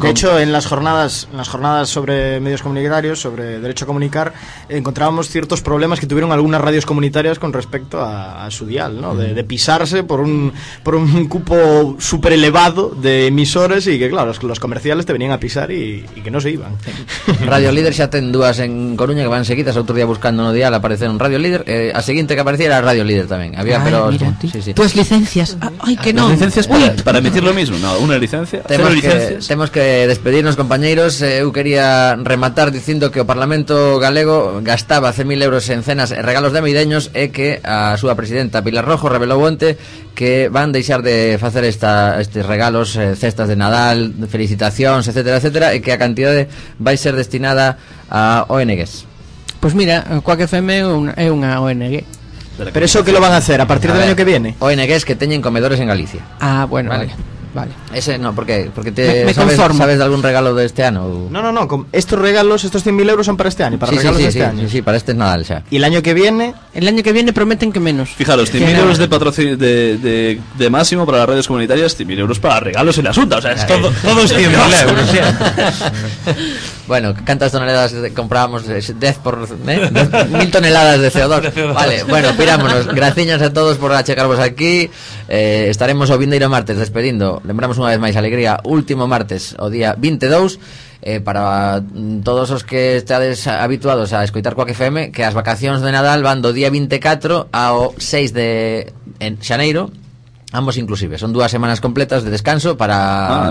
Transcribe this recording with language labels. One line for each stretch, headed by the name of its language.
Spanish: De hecho, en las jornadas sobre medios comunitarios, sobre derecho a comunicar, encontrábamos ciertos problemas que tuvieron algunas radios comunitarias con respecto a su dial, ¿no? De pisarse por un cupo super elevado de emisores y que, claro, los comerciales te venían a pisar y que no se iban.
Galician: Radio Líder xa ten dúas en Coruña que van seguidas. Outro día buscando no dial aparecer un Radio Líder. A seguinte que aparecía era Radio Líder tamén.
Spanish: Había, ay, pero. Tú as licencias. Ay, que no. Licencias para emitir lo mismo. No, una licencia.
Galician: Temos que despedirnos, compañeiros. Eu quería rematar dicindo que o Parlamento galego gastaba 100.000 euros en cenas e regalos de amideños e que a súa presidenta Pilar Rojo revelou onte que van deixar de facer estes regalos, cestas de Nadal, felicitacións, etcétera, etcétera, e que a cantidade vai ser destinada a ONGs. Pues mira, Quack FM é unha ONG.
Spanish: Pero eso que lo van a hacer a partir del año que viene.
Galician: ONGs que teñen comedores en Galicia.
Spanish: Ah, bueno, vale. Ese no, porque te sabes de algún regalo de este año. No, estos 100.000 euros son para este año, Sí, para este Nadal ya. ¿Y el año que viene? El año que viene prometen que menos. Fijaros, 100.000 euros de patrocinio de máximo para las redes comunitarias, 100.000 euros para regalos en la Xunta, o sea, es todo es 100.000 euros. Bueno, ¿cuántas toneladas comprábamos? 10 por 1000 toneladas de CO2.
Galician: Vale, bueno, pirámonos. Graciñas a todos por achecarvos aquí. Estaremos o vindeiro martes despedindo. Lembramos unha vez máis alegría, último martes, o día 22. Para todos os que estades habituados a escoitar Quack FM, que as vacacións de Nadal van do día 24 ao 6 de xaneiro. Ambos inclusive, son dúas semanas completas de descanso para